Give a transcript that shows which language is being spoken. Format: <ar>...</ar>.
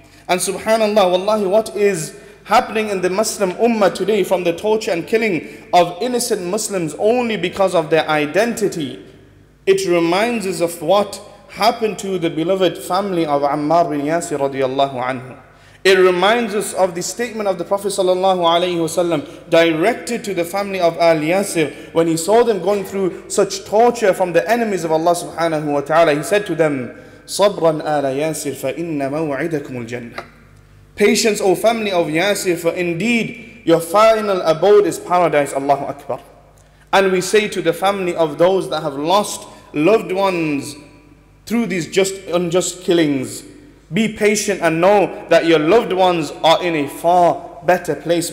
<en>And subhanAllah, wallahi, what is happening in the Muslim Ummah today, from the torture and killing of innocent Muslims only because of their identity, it reminds us of what happened to the beloved family of Ammar bin Yasir radiallahu anhu. It reminds us of the statement of the Prophet sallallahu alayhi wasallam directed to the family of Al Yasir when he saw them going through such torture from the enemies of Allah subhanahu wa ta'ala. He said to them,</en> <ar>صَبْرًا آلَ يَاسِرْ فَإِنَّ مَوْعِدَكُمُ الْجَنَّةِ.</ar> <en>Patience, O family of Yasir, for indeed your final abode is paradise. Allahu Akbar. And we say to the family of those that have lost loved ones through these unjust killings, be patient and know that your loved ones are in a far better place.</en>